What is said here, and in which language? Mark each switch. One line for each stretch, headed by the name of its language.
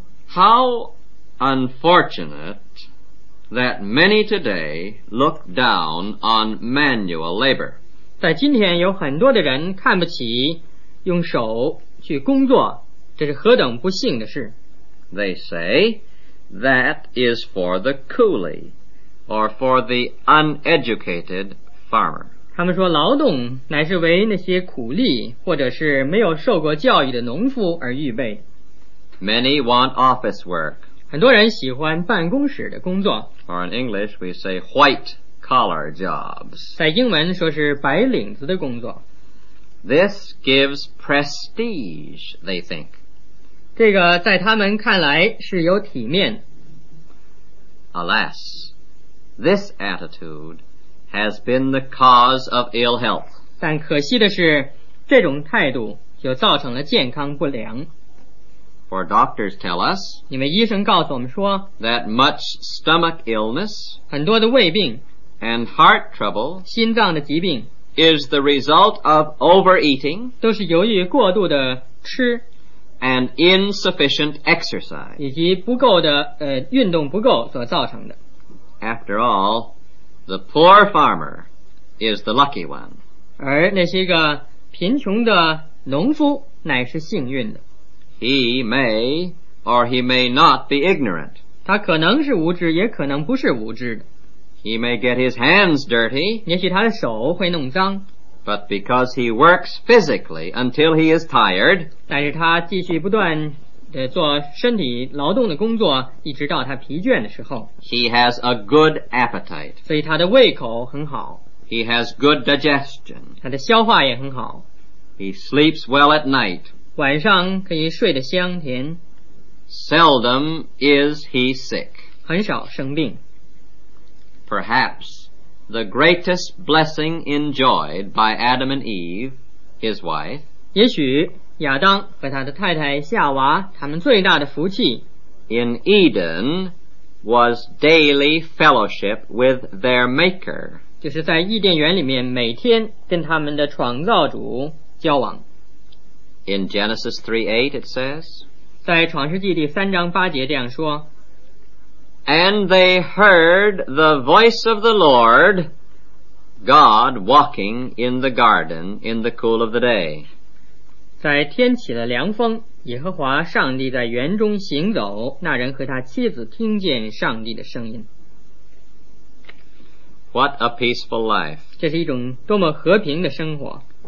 English: How unfortunate that many today look down on manual labor.
Chinese: 在今天有很多的人看不起用手去工作，这是何等不幸的事。
English: They say that is for the coolie or for the uneducated farmer.
Chinese: 他们说劳动乃是为那些苦力或者是没有受过教育的农夫而预备。
English: Many want office work.
Chinese: 很多人喜欢办公室的工作。
English: Or in English we say white. Collar jobs.
Chinese: 在英文说是白领子的工作。
English: This gives prestige, they think.
Chinese: 这个在他们看来是有体面。
English: Alas, this attitude has been the cause of ill health.
Chinese: 但可惜的是，这种态度就造成了健康不良。
English: For doctors tell us,
Chinese: 因为医生告诉我们说
English: that much stomach illness,
Chinese: 很多的胃病
English: And heart trouble
Chinese: 心脏的疾病
English: is the result of overeating
Chinese: 都是由于过度的吃
English: and insufficient exercise
Chinese: 以及不够的运动不够所造成的。
English: After all, the poor farmer is the lucky one.
Chinese: 而那些个贫穷的农夫乃是幸运的。
English: He may or he may not be ignorant.
Chinese: 他可能是无知也可能不是无知的。
English: He may get his hands dirty,
Chinese: 也许他的手会弄脏
English: but because he works physically until he is tired,
Chinese: 但是他继续不断地做身体劳动的工作一直到他疲倦的时候
English: he has a good appetite,
Chinese: 所以他的胃口很好
English: he has good digestion,
Chinese: 他的消化也很好
English: he sleeps well at night,
Chinese: 晚上可以睡得香甜
English: seldom is he sick,
Chinese: 很少生病。
English: Perhaps the greatest blessing enjoyed by Adam and Eve, his wife,
Chinese: 也许亚当和他的太太夏娃他们最大的福气
English: in Eden was daily fellowship with their maker,
Chinese: 就是在伊甸园里面每天跟他们的创造主交往。
English: In Genesis 3:8 it says,
Chinese: 在创世纪第三章八节这样说
English: And they heard the voice of the Lord, God walking in the garden in the cool of the day.
Chinese: 在天起了凉风，耶和华上帝在园中行走，那人和他妻子听见上帝的声音。
English: What a peaceful life.
Chinese: 这是一种多么和平的生活。